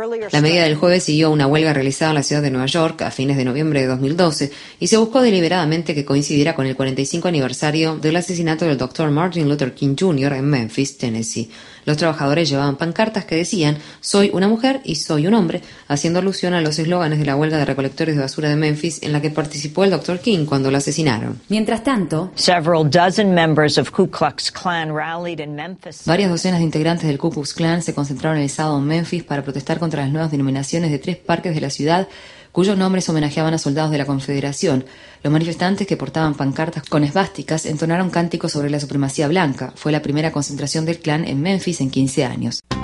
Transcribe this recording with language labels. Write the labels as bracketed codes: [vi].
[es] La medida del jueves siguió una huelga realizada en la ciudad de Nueva York a fines de noviembre de 2012 y se buscó deliberadamente que coincidiera con el 45 aniversario del asesinato del Dr. Martin Luther King Jr. en Memphis, Tennessee. Los trabajadores llevaban pancartas que decían «Soy una mujer y soy un hombre», haciendo alusión a los eslóganes de la huelga de recolectores de basura de Memphis en la que participó el Dr. King cuando lo asesinaron. Mientras tanto, [en] several dozen members of Ku Klux Klan rallied in Memphis. [es] Varias docenas de integrantes del Ku Klux Klan se concentraron el sábado en Memphis para protestar contra las nuevas denominaciones de 3 parques de la ciudad cuyos nombres homenajeaban a soldados de la Confederación. Los manifestantes, que portaban pancartas con esvásticas, entonaron cánticos sobre la supremacía blanca. Fue la primera concentración del Klan en Memphis en 15 años.